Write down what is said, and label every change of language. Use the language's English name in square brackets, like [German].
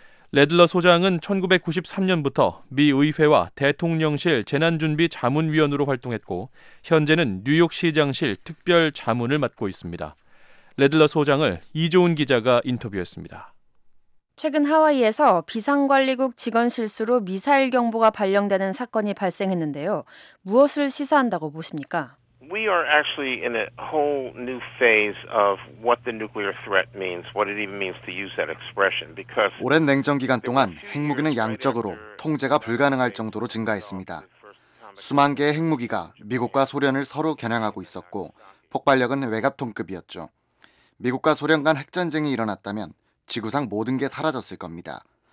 [Korean] 레들러 소장은 1993년부터 미 의회와 대통령실 재난준비자문위원으로 활동했고 현재는 뉴욕시장실 특별자문을 맡고 있습니다. 레들러 소장을 이조은 기자가 인터뷰했습니다. 최근 하와이에서 비상관리국 직원 실수로 미사일 경보가 발령되는 사건이 발생했는데요. 무엇을 시사한다고 보십니까? [English] We are actually in a whole new phase of what the nuclear threat means, what it even means to use that expression. Because [Korean] 오랜 냉전 기간 동안 핵무기는 양적으로 통제가 불가능할 정도로 증가했습니다. 수만 개의 핵무기가 미국과 소련을 서로 겨냥하고 있었고 폭발력은 외갑통급이었죠. 미국과 소련 간 핵전쟁이 일어났다면 지구상 모든 게 사라졌을 겁니다.